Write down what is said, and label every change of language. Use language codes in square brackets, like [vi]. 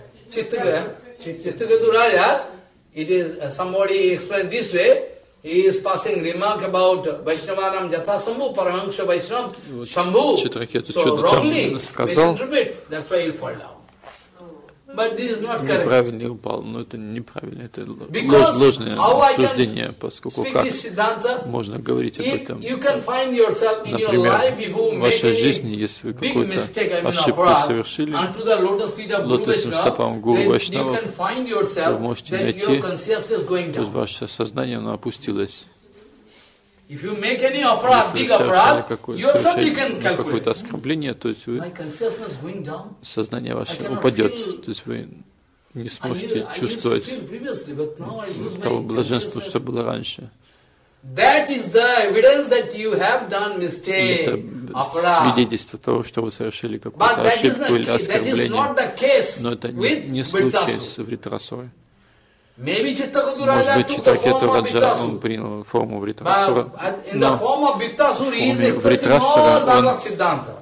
[en] Chittagadu Raja, it is somebody explained this way, He is passing remark about Vaishnavanam Jatha Sambhu, Paramahansa Vaishnav, Shambhu. So wrongly misinterpret, that's why he fell down. But this is not correct. [ru] Неправильный упал, но это неправильно, это ложное суждение, поскольку как можно говорить об этом? Например, в вашей жизни, если вы какую-то ошибку совершили, лотосным стопам Гуру Вайшнава, вы можете найти, то есть ваше сознание, оно опустилось. [en] If you make any operat, big operat, you yourself you can calculate. [ru] Какое-то оскорбление, то есть вы, [en] my consciousness going down. [ru] Сознание ваше упадет, то есть вы не сможете чувствовать того блаженства, что было раньше. [en] That is the evidence that you have done mistake. [ru] Это свидетельство того, что вы совершили какую-то ошибку или оскорбление. [en] But that is not the case with [ru] не случай с Вритрасурой. [en] Maybe [ru] Может быть, Читракету Раджа он принял форму Вритрасура, но в форме Вритрасура